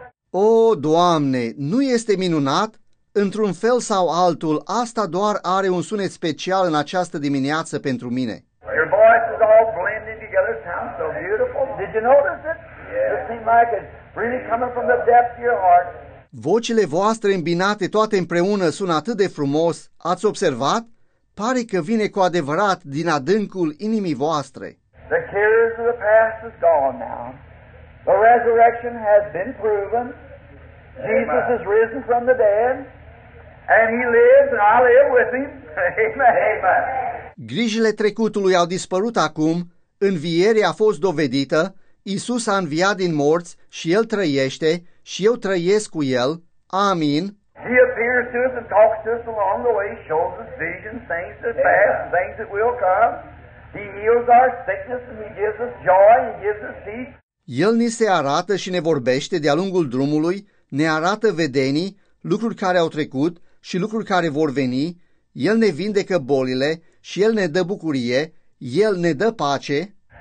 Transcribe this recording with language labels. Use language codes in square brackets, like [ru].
[ro] Oh, Doamne, nu este minunat? Într-un fel sau altul, asta doar are un sunet special în această dimineață pentru mine. [en] Your voice is all blending together, sounds so beautiful. Did you notice it? Yeah. It seemed like it's really coming from the depth of your heart. [ro] Vocile voastre îmbinate toate împreună sună atât de frumos. Ați observat? Pare că vine cu adevărat din adâncul inimii voastre. [en] The cares of the past is gone now. The resurrection has been proven. Jesus is risen from the dead. And he lives and I live with him. Amen. Amen. [ro] Grijile trecutului au dispărut acum, învierea a fost dovedită, Iisus a înviat din morți și El trăiește și eu trăiesc cu El. Amin. [en] He appears to us and talks to us along the way, shows us visions, things that pass, things that will come. He heals our sickness and he gives us joy and gives us peace. [ro] El ni se arată și ne vorbește de-a lungul drumului, ne arată vedenii, lucruri care au trecut și lucruri care vor veni. El ne vindecă bolile și El ne dă bucurie, El ne dă pace.